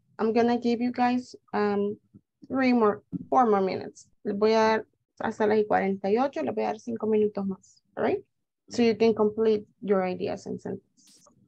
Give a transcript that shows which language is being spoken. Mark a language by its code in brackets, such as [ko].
[en] I'm gonna give you guys four more minutes. [es] Les voy a dar hasta las 48, les voy a dar 5 minutos más, all right? [en] So you can complete your ideas and sentences.